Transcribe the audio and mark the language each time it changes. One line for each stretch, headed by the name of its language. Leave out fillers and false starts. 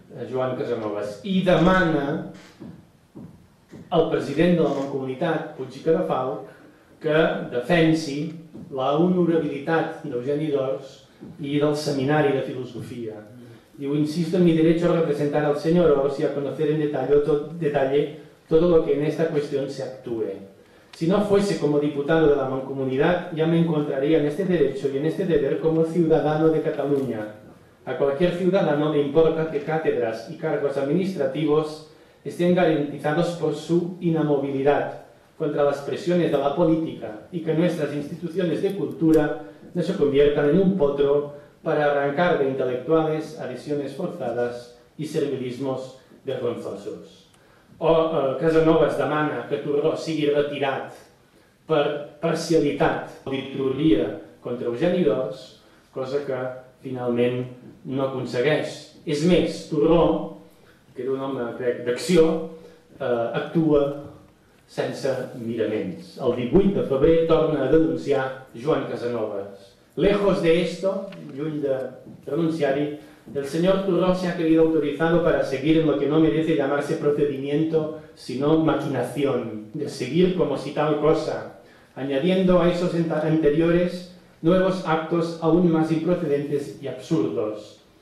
Catalan: Joan Casanovas, i demana al president de la Mancomunitat, Puig i Cadafalch, que defensi la honorabilitat d'Eugeni d'Ors i del Seminari de Filosofia.
Spanish: Diu: insisto en mi derecho a representar al señor Ors y a conocer en detalle todo lo que en esta cuestión se actúe. Si no fuese como diputado de la Mancomunidad, ya me encontraría en este derecho y en este deber como ciudadano de Cataluña. A cualquier ciudadano le importa que cátedras y cargos administrativos estén garantizados por su inamovilidad contra las presiones de la política y que nuestras instituciones de cultura no se conviertan en un potro para arrancar de intelectuales adhesiones forzadas y servilismos vergonzosos.
Catalan: O Casanovas demana que Turró sigui retirat per parcialitat o dictatoria contra Eugeni d'Ors, cosa que finalment no aconsegueix. És més, Turró, que era un home, crec, d'acció, actua sense miraments. El 18 de febrer torna a denunciar Joan Casanovas.
Spanish: Lejos de esto,
Catalan: lluny de renunciar-hi,
Spanish: el señor Turró se ha creído autorizado para seguir en lo que no merece llamarse procedimiento, sino maquinación, de seguir como si tal cosa, añadiendo a esos anteriores nuevos actos aún más improcedentes y absurdos.